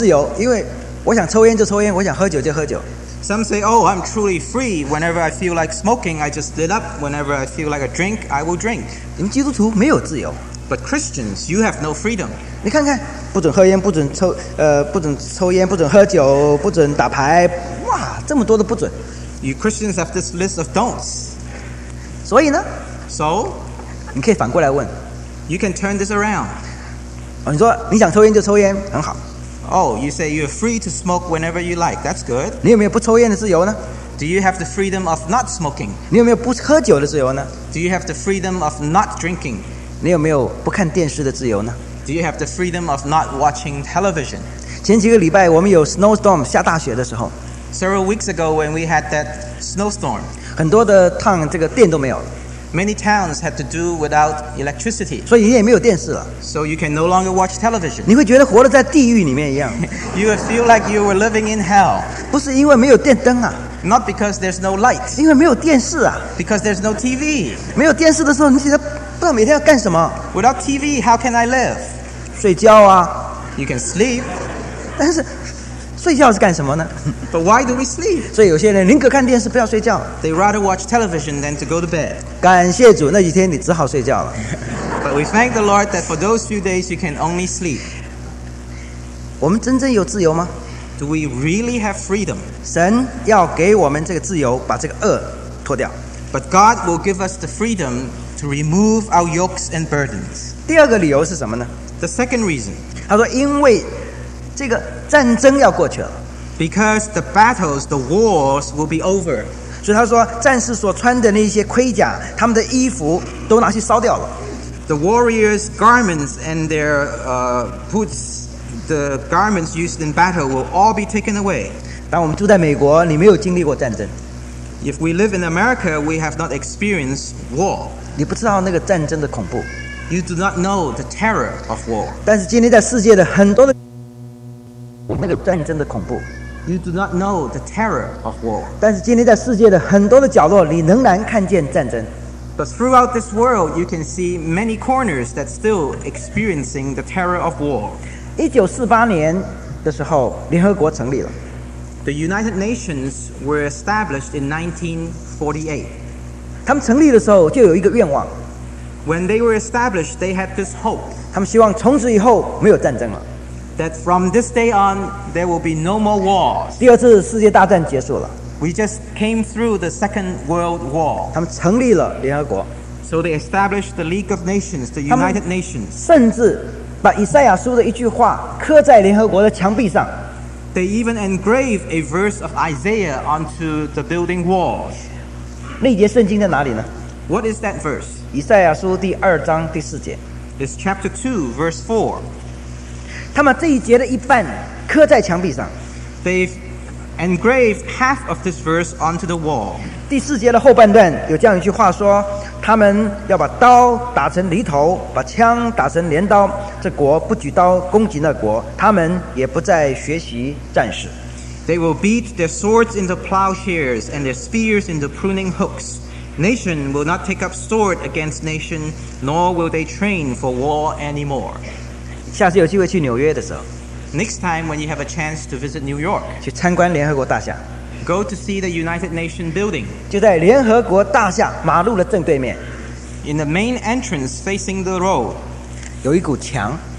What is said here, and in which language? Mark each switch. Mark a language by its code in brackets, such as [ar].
[zh] 很多人说我很自由，因为我想抽烟就抽烟，我想喝酒就喝酁。 [en] Some say, oh, I'm truly free. Whenever I feel like smoking, I just lit up. Whenever I feel like a drink, I will drink. [zh] 你们基督徒没有自由。 [en] But Christians, you have no freedom. [zh] 你看看，不准喝烟，不准抽烟，不准喝酒，不准打牌，哇，这么多的不准。 [en] You Christians have this list of don'ts. [zh] 所以呢？ [en] So? [zh] 你可以反过来问。 [en] You can turn this around. [zh] 你说你想抽烟就抽烟，很好。 [en] Oh, you say you're free to smoke whenever you like. That's good. [zh] 你有没有不抽烟的自由呢？ [en] Do you have the freedom of not smoking? [zh] 你有没有不喝酒的自由呢？ [en] Do you have the freedom of not drinking? [zh] 你有没有不看电视的自由呢？ [en] Do you have the freedom of not watching television? [zh] 前几个礼拜我们有 snowstorm 下大雪的时候。 [en] Several weeks ago when we had that snowstorm. [zh] 很多的趟这个电都没有了。 [en] Many towns had to do without electricity. [zh] 所以你也没有电视了。 [en] So you can no longer watch television. [zh] 你会觉得活得在地狱里面一样。 [en] You would feel like you were living in hell. [zh] 不是因为没有电灯啊。 [en] Not because there's no light. [zh] 因为没有电视啊。 [en] Because there's no TV. [zh] 没有电视的时候，你其实不知道每天要干什么。 [en] Without TV, how can I live? [zh] 睡觉啊。 [en] You can sleep. [zh] 但是睡觉是干什么呢？ [en] But why do we sleep? [zh] 所以有些人宁可看电视不要睡觉。 [en] They rather watch television than to go to bed. [zh] 感谢主，那几天你只好睡觉了。 [en] But we thank the Lord that for those few days you can only sleep. [zh] 我们真正有自由吗？ [en] Do we really have freedom? [zh] 神要给我们这个自由，把这个轭脱掉。 [en] But God will give us the freedom to remove our yokes and burdens. [zh] 第二个理由是什么呢？ [en] The second reason. [zh] 他说因为这个战争要过去了。 [en] Because the battles, the wars will be over. [zh] 所以他说战士所穿的那些盔甲，他们的衣服都拿去烧掉了。 [en] The warriors' garments and their boots, the garments used in battle will all be taken away. [zh] 当我们住在美国，你没有经历过战争。 [en] If we live in America, we have not experienced war. [zh] 你不知道那个战争的恐怖。 [en] You do not know the terror of war. [zh] 但是今天在世界的很多的那个战争的恐怖。 [en] You do not know the terror of war. [zh] 但是今天在世界的很多的角落，你仍然看见战争。 [en] But throughout this world, you can see many corners that still experiencing the terror of war. [zh] 1948年的时候，联合国成立了。 [en] The United Nations were established in 1948. [zh] 他们成立的时候就有一个愿望。 [en] When they were established, they had this hope. [zh] 他们希望从此以后没有战争了。 [en] That from this day on, there will be no more wars. [zh] 第二次世界大战结束了。 [en] We just came through the Second World War. [zh] 他们成立了联合国。 [en] So they established the League of Nations, the United Nations. [zh] 甚至把以赛亚书的一句话刻在联合国的墙壁上。 [en] They even engraved a verse of Isaiah onto the building walls. [zh] 那节圣经在哪里呢？ [en] What is that verse? [zh] 以赛亚书第二章第四节。 [en] It's chapter 2, verse 4. [zh] 他们这一节的一半刻在墙壁上。 [en] They've engraved half of this verse onto the wall. [zh] 第四节的后半段有这样一句话说，他们要把刀打成犁头，把枪打成镰刀，这国不举刀攻击那国，他们也不再学习战士。 [en] They will beat their swords into plowshares and their spears into pruning hooks. Nation will not take up sword against nation, nor will they train for war anymore. [zh] 下次有机会去纽约的时候 [en] ，Next time when you have a chance to visit New York， [zh] 去参观联合国大厦 [en] ，Go to see the United Nations building， [zh] 就在联合国大厦马路的正对面 [en] ，In the main entrance facing the road， [zh] 有一股墙